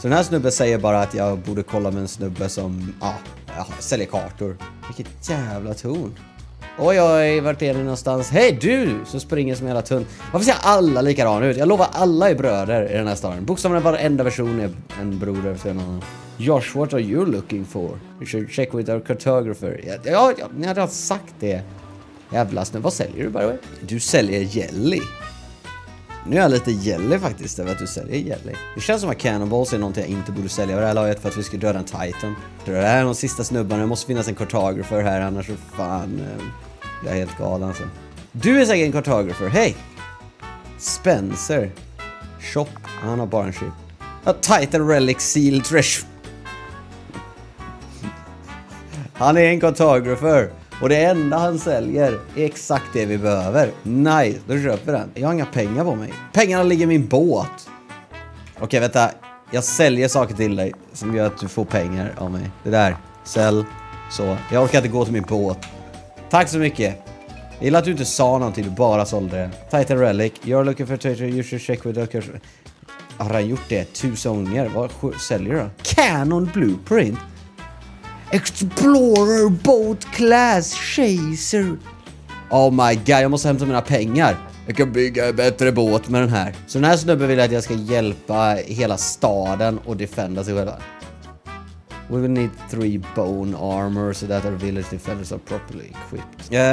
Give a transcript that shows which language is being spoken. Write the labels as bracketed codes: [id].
[sv] Så den här snubben säger bara att jag borde kolla med en snubbe som... säljer kartor. Vilket jävla torn. Oj, vart är ni någonstans? Hej du! Så springer som hela tunn. Varför ser alla likadana ut? Jag lovar, alla är bröder i den här staden. Bokstavligen är varenda version är en bror eller någon annan. [en] Josh, what are you looking for? We should check with our cartographer. [sv] Ja, ni hade sagt det. Jävla snö, vad säljer du bara? Du säljer jelly. Nu är jag lite jelly faktiskt över att du säljer jelly. Det känns som att cannonballs är någonting jag inte borde sälja. Det här laget för att vi ska döda en titan. Det här är de sista snubbarna. Det måste finnas en cartographer här, annars är fan... Jag är helt galen alltså. Du är säkert en cartographer. Hej! Spencer. Shop. Han har bara en ship. [en] A titan relic seal trash. [sv] Han är en cartographer. Och det enda han säljer är exakt det vi behöver. Nice, då köper vi den. Jag har inga pengar på mig. Pengarna ligger i min båt. Okej, vänta. Jag säljer saker till dig som gör att du får pengar av mig. Det där. Sälj. Så. Jag orkar inte gå till min båt. Tack så mycket. Jag gillar att du inte sa någonting. Du bara sålde det. [en] Titan Relic. You're looking for treasure. You should check with the... [sv] Har han gjort det? 1000 gånger. Vad säljer du då? Canon Blueprint. [en] Explorer Boat Class Chaser. Oh my god, [sv] jag måste hämta mina pengar. Jag kan bygga en bättre båt med den här. Så den här snubben vill att jag ska hjälpa hela staden och defenda sig själva. [en] We will need 3 bone armor so that our village defenders are properly equipped.